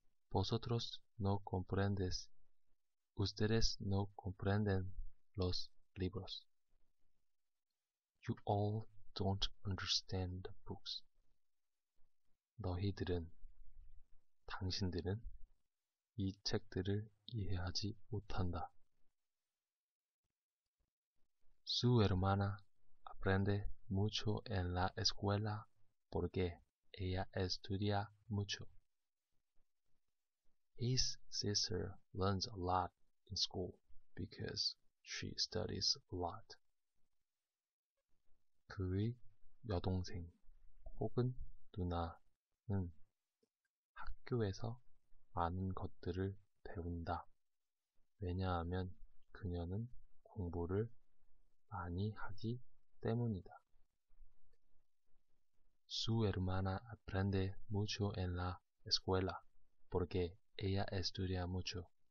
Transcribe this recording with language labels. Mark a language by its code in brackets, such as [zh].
[es] Vosotros no comprendes. Ustedes no comprenden los libros. [en] You all don't understand the books. [ko] 너희들은, 당신들은 이 책들을 이해하지 못한다. [es] Su hermana aprende mucho en la escuela porque ella estudia mucho. [en] His sister learns a lot in school because she studies a lot. [ko] 그의 여동생 혹은 누나는 학교에서 많은 것들을 배운다. 왜냐하면 그녀는 공부를 많이 하기 때문이다. [es] Su hermana aprende mucho en la escuela porque ella estudia mucho.